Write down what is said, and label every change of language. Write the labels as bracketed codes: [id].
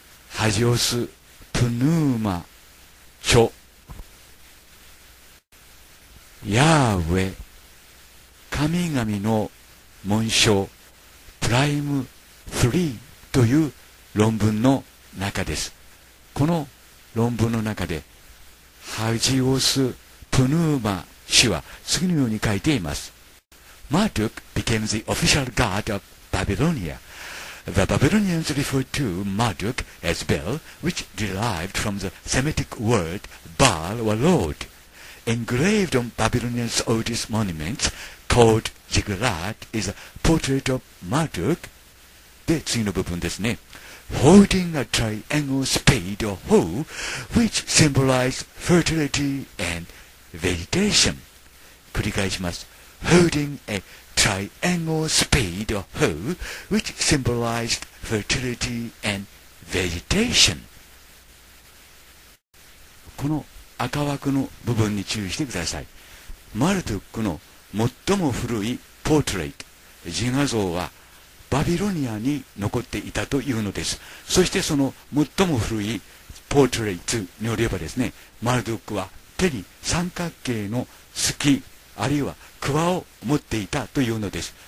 [ja] ハジオス・プヌーマ著ヤーウェ神々の紋章プライム3という論文の中です。この論文の中でハジオス・プヌーマ氏は次のように書いています。 [en] Marduk became the official god of Babylonia. The Babylonians referred to Marduk as Bel, which derived from the Semitic word Baal or Lord. Engraved on Babylonians' oldest monuments called Ziggurat is a portrait of Marduk. [ja] で、次の部分ですね。 [en] Holding a triangle spade or hoe, which symbolizes fertility and vegetation. [ja] 繰り返します。 [en] Holding a triangle spade or hoe, which symbolizes fertility and vegetation. [ja] この赤枠の部分に注意してください。マルドックの最も古いポートレイト、自画像は、バビロニアに残っていたというのです。そしてその最も古いポートレイトによればですね、マルドックは手に三角形の鋤あるいは鍬を持っていたというのです。